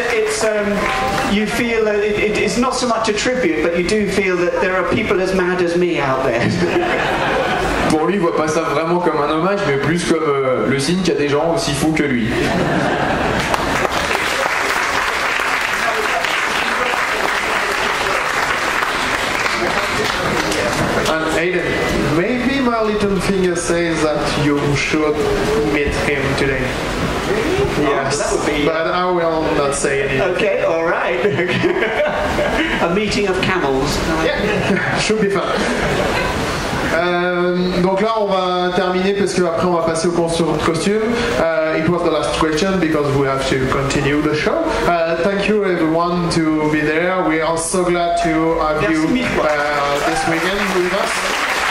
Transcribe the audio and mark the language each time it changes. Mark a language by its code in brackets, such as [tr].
[en] So you feel that it's not so much a tribute, but you do feel that there are people as mad as me out there. [fr] Pour lui, il voit pas ça vraiment comme un hommage, mais plus comme le signe qu'il y a des gens aussi fous que lui. [en] And Aiden, maybe my little finger says that you should meet him today. Yes, but I will not say anything. Okay, all right. A meeting of camels. Yeah, should be fun. [fr] Donc là, on va terminer parce qu'après, on va passer au costume. [en] It was the last question because we have to continue the show. Thank you, everyone, to be there. We are so glad to have you this weekend with us.